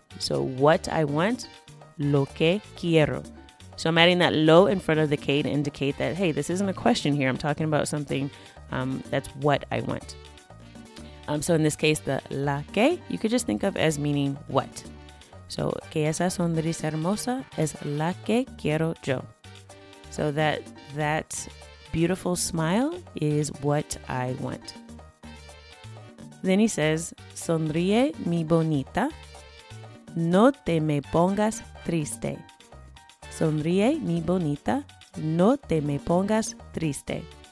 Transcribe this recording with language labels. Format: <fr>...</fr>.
<en>So what I want,</en> <es>lo que quiero.</es> <en>So I'm adding that lo in front of the que to indicate that, hey, this isn't a question here. I'm talking about something that's what I want. So in this case, the la que, you could just think of as meaning what.</en> <es>So que esa sonrisa hermosa es la que quiero yo.</es> <en>So that beautiful smile is what I want. Then he says,</en> <es>sonríe mi bonita, no te me pongas triste. Sonríe mi bonita, no te me pongas triste.</es>